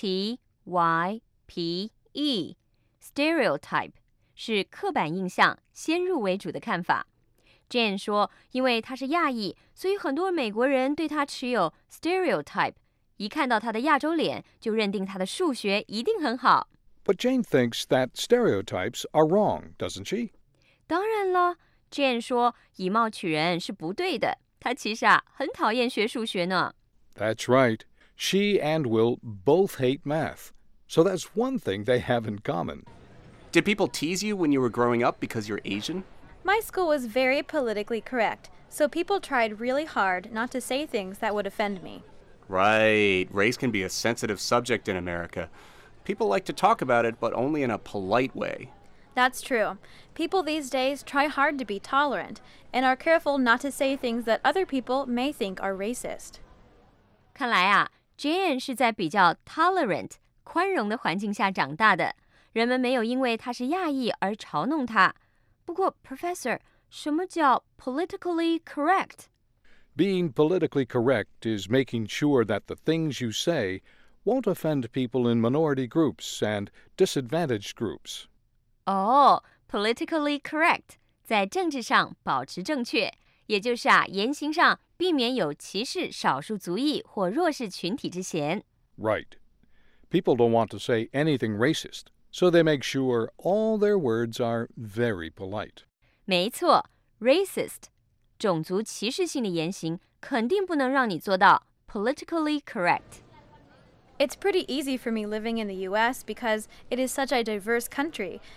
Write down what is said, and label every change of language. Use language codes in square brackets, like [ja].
[zh] S-T-E-R-E-O-T-Y-P-E. Stereotype 是刻板印象，先入为主的看法。 Jane 说因为他是亚裔，所以很多美国人对他持有 stereotype， 一看到他的亚洲脸就认定他的数学一定很好。 [en] But Jane thinks that stereotypes are wrong, doesn't she? [zh] 当然了， Jane 说以貌取人是不对的，他其实啊很讨厌学数学呢。 [en] That's right. She and Will both hate math. So that's one thing they have in common. Did people tease you when you were growing up because you're Asian? My school was very politically correct, so people tried really hard not to say things that would offend me. Right. Race can be a sensitive subject in America. People like to talk about it, but only in a polite way. That's true. People these days try hard to be tolerant and are careful not to say things that other people may think are racist. [zh] 看来啊 ,Jane 是在比较 tolerant, 宽容的环境下长大的。人们没有因为她是亚裔而嘲弄她。不过 ,Professor, 什么叫 politically correct? [en] Being politically correct is making sure that the things you say won't offend people in minority groups and disadvantaged groups. Oh, politically correct. [zh] 在政治上保持正确，也就是啊，言行上避免有歧视少数族裔或弱势群体之嫌。 [en] Right. People don't want to say anything racist, so they make sure all their words are very polite. [zh] 没错 ,racist, 种族歧视性的言行肯定不能让你做到 politically correct. [en] It's pretty easy for me living in the US because it is such a diverse country.